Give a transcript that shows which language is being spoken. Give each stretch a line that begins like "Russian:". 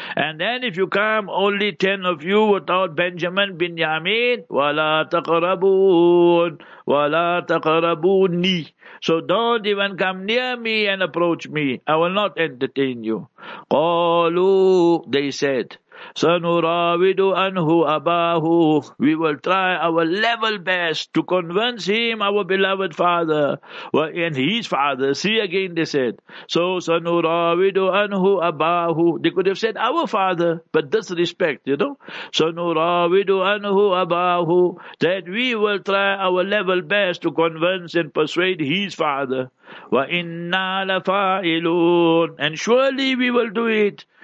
English: And then if you come, only 10 of you without Benjamin, Binyamin,
Arabic: وَلَا تَقْرَبُونَ وَلَا تَقْرَبُونِ
English: So don't even come near me and approach me. I will not entertain you.
Arabic: قَالُوا
English: They said,
Arabic: سنراود عنه أباه.
English: We will try our level best to convince him, our beloved father, and his father. See again, they said.
Arabic: So سنراود عنه أباه.
English: They could have said our father, but disrespect, you know.
Arabic: سنراود عنه أباه.
English: That we will try our level best to convince and persuade his father.
Arabic: وَإِنَّا لَفَائِلُونَ.
English: And surely we will do it.